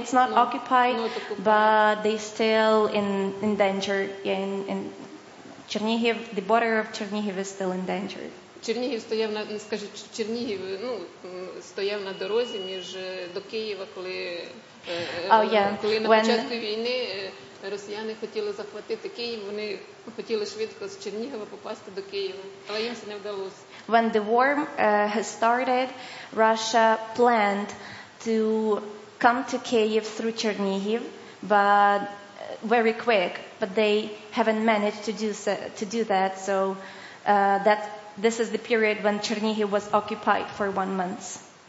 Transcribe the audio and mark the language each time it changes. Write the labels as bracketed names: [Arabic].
[English] But they still in danger in Chernihiv. The border of Chernihiv is still in danger. [Ukrainian] Чернігів стояв на, скажіть, Чернігів, ну, стояв на дорозі між до Києва, коли на початку війни росіяни хотіли захватити Київ, вони хотіли швидко з Чернігова попасти до Києва, але їм це не вдалося. [English] When the war has started, Russia planned to come to Kyiv through Chernihiv, but very quick, but they haven't managed to do that, so this is the period when Chernihiv was occupied for 1 month.